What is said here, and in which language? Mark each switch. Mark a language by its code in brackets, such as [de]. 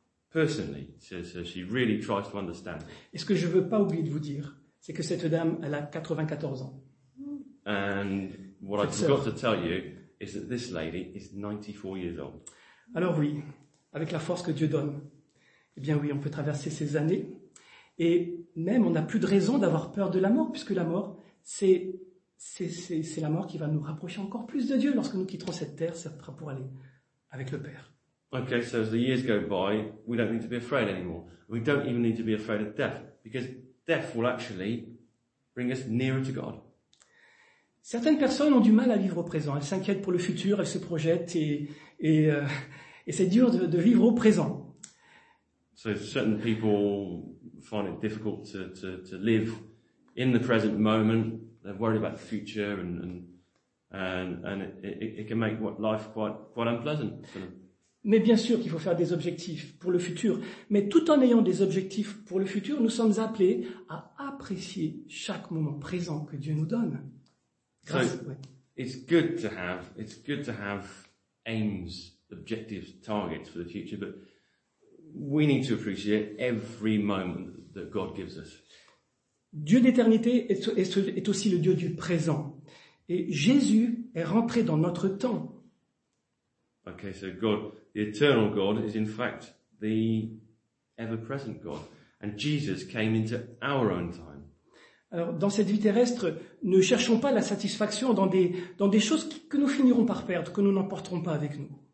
[en] Personally, so she really tries to understand. [fr] Et ce que je veux pas oublier de vous dire, c'est que cette dame, elle a 94 ans. [en] And what I forgot to tell you is that this lady is 94 years old. [fr] Alors oui, avec la force que Dieu donne, eh bien oui, on peut traverser ces années. Et même, on n'a plus de raison d'avoir peur de la mort, puisque la mort, c'est la mort qui va nous rapprocher encore plus de Dieu lorsque nous quitterons cette terre, ça sera pour aller avec le Père. [en] Okay, so as the years go by, we don't need to be afraid anymore. We don't even need to be afraid of death, because death will actually bring us nearer to God. [fr] Certaines personnes ont du mal à vivre au présent. Elles s'inquiètent pour le futur, elles se projettent et c'est dur de vivre au présent. [en] So certain people find it difficult to live in the present moment. They're worried about the future and it can make life quite unpleasant for them. [fr] Mais bien sûr qu'il faut faire des objectifs pour le futur. Mais tout en ayant des objectifs pour le futur, nous sommes appelés à apprécier chaque moment présent que Dieu nous donne. [en] It's good to have aims, objectives, targets for the future, but we need to appreciate every moment that God gives us. [fr] Dieu d'éternité est aussi le Dieu du présent. Et Jésus est rentré dans notre temps. [en] Okay, so God, the eternal God, is in fact the ever-present God. And Jesus came into our own time. [fr] Alors, dans cette vie terrestre, ne cherchons pas la satisfaction dans des choses que nous finirons par perdre, que nous n'emporterons pas avec nous.